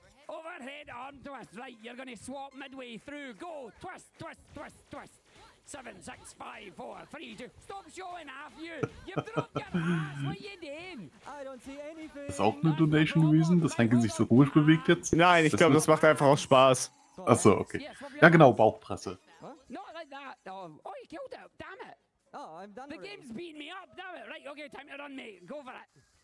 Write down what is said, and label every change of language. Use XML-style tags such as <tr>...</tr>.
<en>Overhead arm twist, right, you're gonna swap midway through, go, twist, twist, twist, twist, 7, 6, 5, 4, 3, 2, stop showing half you, you've dropped your ass, what are you doing? I don't see anything.</en> <de>Ist auch eine Donation Reason, dass Heinke sich so komisch bewegt jetzt? Nein, ich glaube, das macht einfach auch Spaß. Achso, okay. Ja genau, Bauchpresse.</de> <en>Not like that, oh, you killed it, damn it. Oh, I'm done. The game's beat me up, damn it, right, okay, time to run, mate, go for it.</en>